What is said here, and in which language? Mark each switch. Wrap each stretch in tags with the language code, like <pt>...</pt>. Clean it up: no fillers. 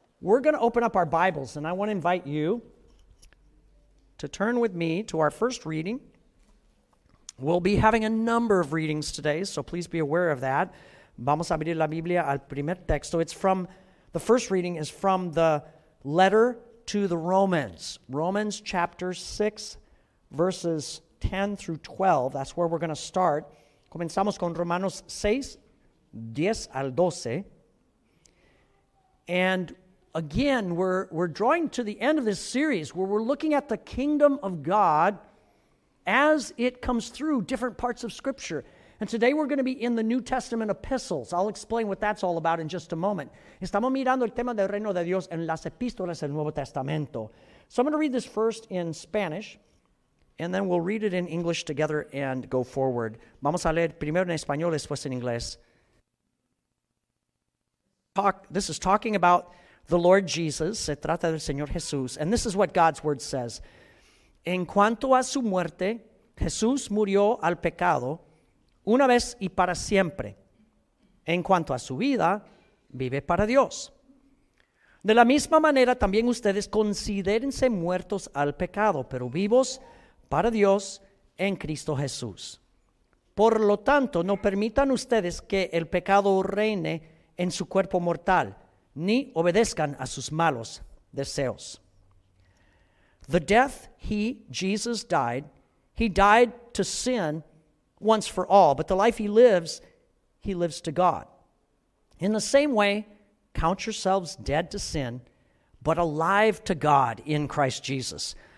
<en>We're going to open up our Bibles, and I want to invite you to turn with me to our first reading. We'll be having a number of readings today, so please be aware of that.</en> <es>Vamos a abrir la Biblia al primer texto.</es> <en>The first reading is from the letter to the Romans. Romans chapter 6, verses 10 through 12. That's where we're going to start.</en> <es>Comenzamos con Romanos 6, 10 al 12.</es> <en>And again, we're drawing to the end of this series where we're looking at the kingdom of God as it comes through different parts of Scripture. And today we're going to be in the New Testament epistles. I'll explain what that's all about in just a moment.</en> <es>Estamos mirando el tema del reino de Dios en las epístolas del Nuevo Testamento.</es> <en>So I'm going to read this first in Spanish, and then we'll read it in English together and go forward.</en> <es>Vamos a leer primero en español, después en inglés.</es> <en>This is talking about the Lord Jesus,</en> <es>se trata del Señor Jesús,</es> <en>and this is what God's Word says.</en> <es>En cuanto a su muerte, Jesús murió al pecado una vez y para siempre. En cuanto a su vida, vive para Dios. De la misma manera, también ustedes considérense muertos al pecado, pero vivos para Dios en Cristo Jesús. Por lo tanto, no permitan ustedes que el pecado reine en su cuerpo mortal, ni obedezcan a sus malos deseos.</es> <en>The death Jesus died, he died to sin once for all, but the life he lives to God. In the same way, count yourselves dead to sin, but alive to God in Christ Jesus.</en>